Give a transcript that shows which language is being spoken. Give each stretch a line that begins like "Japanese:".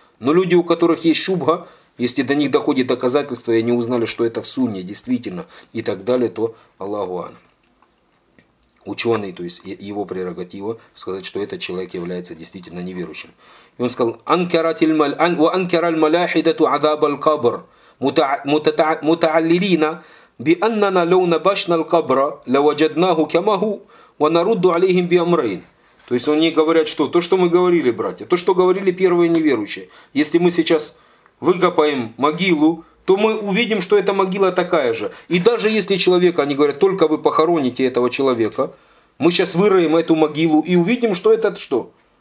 Russian: Но люди, у которых есть шубха, если до них доходит доказательство, и они узнали, что это в сунне, действительно, и так далее, то Аллаху а'лам. Ученый, то есть его прерогатива, сказать, что этот человек является действительно неверующим. И он сказал, «Анкер аль-маляхидату азаб аль-кабр, мутааллилина».
Arabic: بأننا لو نبشنا القبر لوجدناه كما هو ونرد عليهم بأمرين.
Russian: То есть они говорят, что то, что мы говорили, братья, то, что говорили первые неверующие. Если мы сейчас выкопаем могилу, то мы увидим, что эта могила такая же. И даже если человека, они говорят, только вы похороните этого человека, мы сейчас выроем эту могилу и увидим, что этот что?